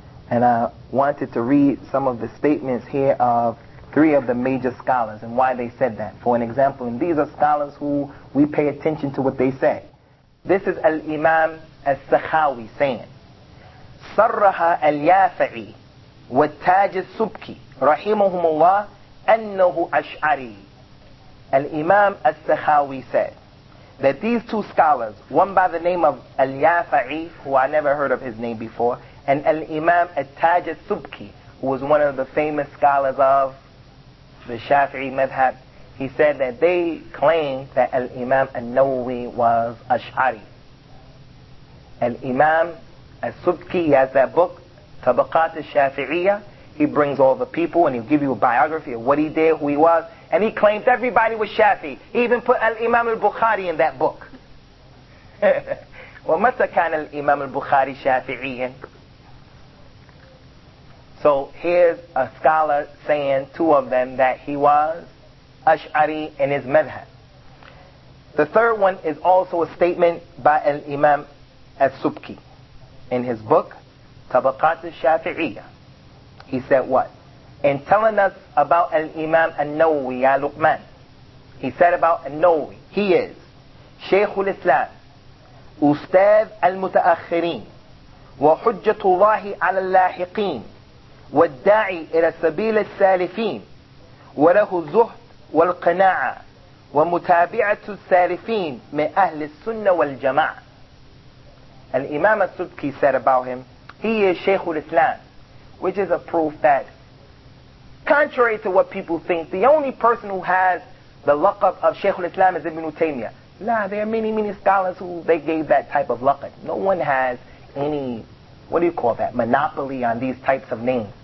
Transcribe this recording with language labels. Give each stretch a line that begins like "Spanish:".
English: And I wanted to read some of the statements here of three of the major scholars and why they said that. For an example, and these are scholars who we pay attention to what they say. This is Al-Imam Al-Sakhawi saying,
Arabic: صَرَّحَ الْيَافَعِي وَالتَّاجِ السُّبْكِي رَحِمَهُمُ اللَّهِ أَنَّهُ أَشْعَرِي.
English: Al-Imam Al-Sakhawi said that these two scholars, one by the name of Al-Yafa'i, who I never heard of his name before, and Al-Imam Al-Taj al-Subki, who was one of the famous scholars of the Shafi'i Madhab, he said that they claimed that Al-Imam Al-Nawawi was Ash'ari. Al-Imam Al-Subki has that book, Tabaqat al-Shafi'iyya. He brings all the people and he'll give you a biography of what he did, who he was. And he claims everybody was Shafi'i. He even put Al-Imam al-Bukhari in that book.
Arabic: وَمَتَّ كَانَ الْإِمَامُ الْبُخَارِي شَافِعِيًا.
English: So here's a scholar saying, two of them, that he was Ash'ari in his madhab. The third one is also a statement by Al-Imam al-Subki in his book, Tabaqat al-Shafi'iyya. He said what? In telling us about Al-Imam al-Nawawi, al-Luqman, he said about al-Nawawi, he is Shaykh al-Islam,
Arabic: أستاذ المتأخرين وحجة الله على اللاحقين والداعي إلى سبيل السالفين وله الزهد والقناعة ومتابعة السالفين من أهل السنة والجماعة.
English: الإمام السبكي said about him, he is Shaykh al-Islam, which is a proof that, contrary to what people think, the only person who has the laqab of Shaykh al-Islam is Ibn Taymiyyah. Nah, there are many, many scholars who they gave that type of laqab. No one has any, what do you call that, monopoly on these types of names.